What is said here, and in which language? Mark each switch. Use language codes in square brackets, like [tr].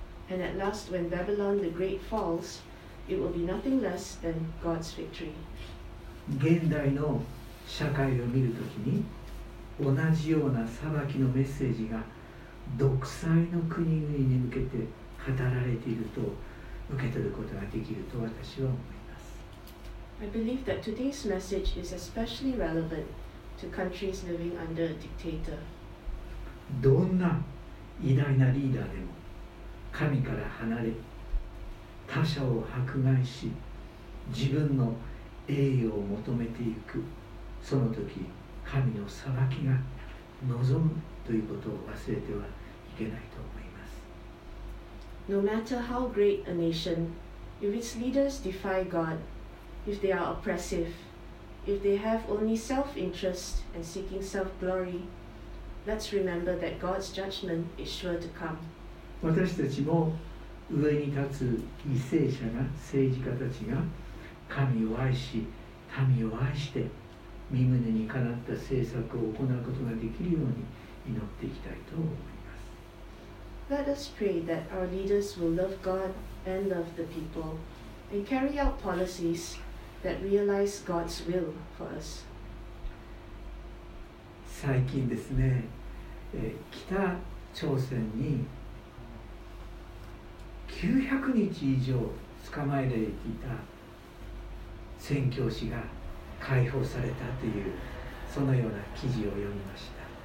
[en] And at last, when Babylon the Great falls, it will be nothing less than God's victory. [ja] 現代の社会を見るときに、同じような裁きのメッセージが独裁の国々に向けて語られていると受け取ることができると私は思います。 [en] I believe that today's message is especially relevant to countries living under a dictator. [ja] どんな偉大なリーダーでも神から離れ他者を迫害し自分の栄誉を求めていくその時神の裁きが望むということを忘れてはいけないと思います。 [en] No matter how great a nation, if its leaders defy God, if they are oppressive, if they have only self-interest and seeking self-glory,Let's remember that God's judgment is sure to come. [ja] 私たちも上に立つ為政者が政治家たちが神を愛し民を愛して御旨にかなった政策を行うことができるように祈っていきたいと思います。 [en] Let us pray that our leaders will love God and love the people and carry out policies that realize God's will for us. [ja] 最近ですね、北朝鮮に900日以上捕まえられていた宣教師が解放されたというそのような記事を読みました。